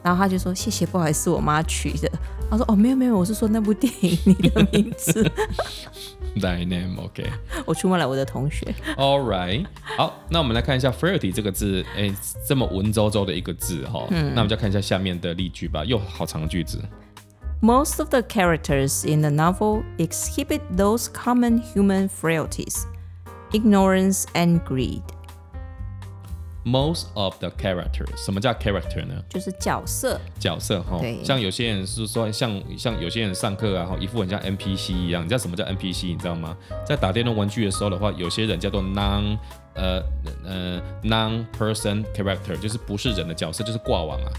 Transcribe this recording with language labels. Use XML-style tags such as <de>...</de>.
<zh>然后他就说：“谢谢，不好意思，我妈取的。” 他说：“哦，没有，我是说那部电影你的名字。</zh> <en>”Thy name， OK。</en> <zh>我出卖了我的同学。</zh> <en>All right，</en> <zh>好，那我们来看一下 frailty 这个字，哎，这么文绉绉的一个字哈，嗯。那我们就看一下下面的例句吧，又好长句子。</zh> <en>Most of the characters in the novel exhibit those common human frailties, ignorance and greed. Most of the characters，</en> <zh>什么叫</zh> <en>character 呢？</en> <zh>就是角色。角色哈，像有些人是说，像有些人上课啊，一副很像 NPC 一样。你知道什么叫 NPC？你知道吗？在打电动玩具的时候的话，有些人叫做</zh> <en>non-person character，</en> <zh>就是不是人的角色，就是挂网啊。</zh>